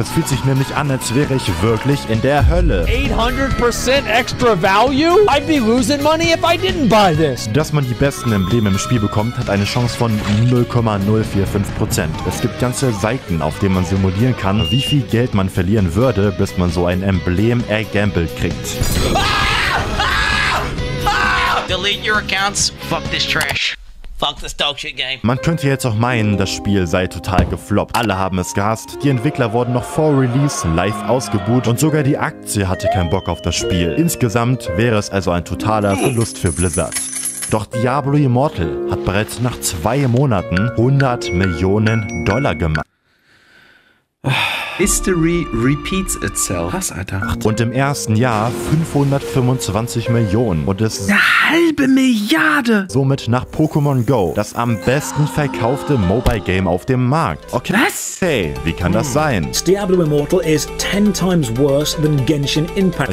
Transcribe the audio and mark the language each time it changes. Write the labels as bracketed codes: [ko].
[de] Es fühlt sich nämlich an, als wäre ich wirklich in der Hölle. [en] 800% extra value? I'd be losing money if I didn't buy this. [de] Dass man die besten Embleme im Spiel bekommt, hat eine Chance von 0,045%. Es gibt ganze Seiten, auf denen man simulieren kann, wie viel Geld man verlieren würde, bis man so ein Emblem ergambelt kriegt. [en] Delete your accounts. Fuck this trash. Fuck this dog shit game. [de] Man könnte jetzt auch meinen, das Spiel sei total gefloppt. Alle haben es gehasst, die Entwickler wurden noch vor Release live ausgebuht und sogar die Aktie hatte keinen Bock auf das Spiel. Insgesamt wäre es also ein totaler Verlust für Blizzard. Doch Diablo Immortal hat bereits nach 2 Monaten 100 Millionen Dollar gemacht. [en] History repeats itself. [de] Was, Alter? Und im ersten Jahr 525 Millionen. Und es ist eine halbe Milliarde. Somit nach Pokémon Go das am besten verkaufte Mobile Game auf dem Markt. Okay. Was? Hey, wie kann das sein? [en] Diablo Immortal is 10 times worse than Genshin Impact.